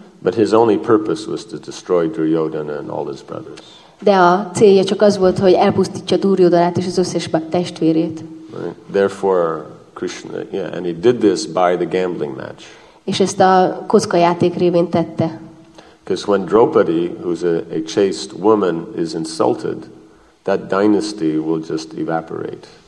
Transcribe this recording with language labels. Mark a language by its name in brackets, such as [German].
[English] But his only purpose was to destroy Duryodhana and all his brothers. [Hungarian] De a célja csak az volt, hogy elpusztítsa Duryodhanát és az összes testvérét. [English] Right. Therefore Krishna, yeah, and he did this by the gambling match. [Hungarian] És ezt a kocka játék révén tette. [English] Because when Draupadi, who's a chaste woman, is insulted, that dynasty will just evaporate.